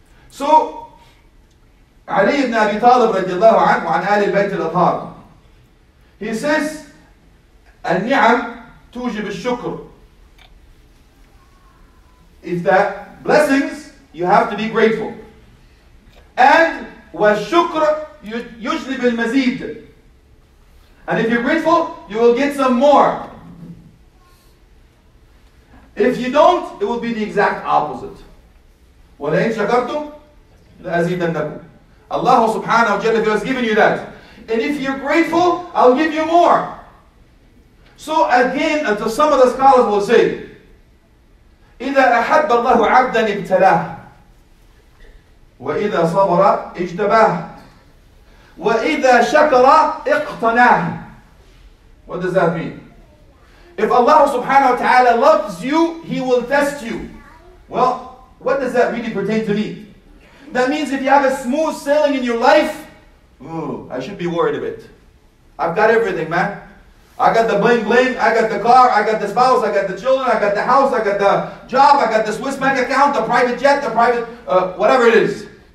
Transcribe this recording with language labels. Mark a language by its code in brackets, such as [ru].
[en] So, Ali ibn Abi Talib radiallahu anhu an Ali al-Bayt al-Athar, he says, [ar] al-ni'am tujib al-shukr. [en] If that blessings, you have to be grateful. And [ar] وَالشُكْر يُجْلِبِ الْمَزِيدِ. [en] And if you're grateful, you will get some more. If you don't, it will be the exact opposite. [ar] وَلَئِنْ شَكَرْتُمْ لَأَزِيدَنَّكُمْ. [en] Allah subhanahu wa ta'ala has given you that. And if you're grateful, I'll give you more. So again, until some of the scholars will say, [ar] إذا أحب الله عبدا ابتلاه وإذا صبر اجتباه وإذا شكر اقتناه. [en] What does that mean? If Allah subhanahu wa ta'ala loves you, He will test you. Well, what does that really pertain to me? That means if you have a smooth sailing in your life, I should be worried a bit. I've got everything, man. I got the bling bling, I got the car, I got the spouse, I got the children, I got the house, I got the job, I got the Swiss bank account, the private jet, the private, whatever it is.